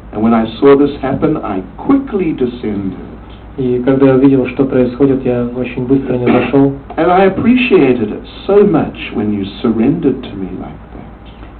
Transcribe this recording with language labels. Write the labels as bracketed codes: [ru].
[en] And when I saw this happen, I quickly descended. [ru] И когда я увидел, что происходит, я очень быстро не зашел. [en] And I appreciated it so much when you surrendered to me like that.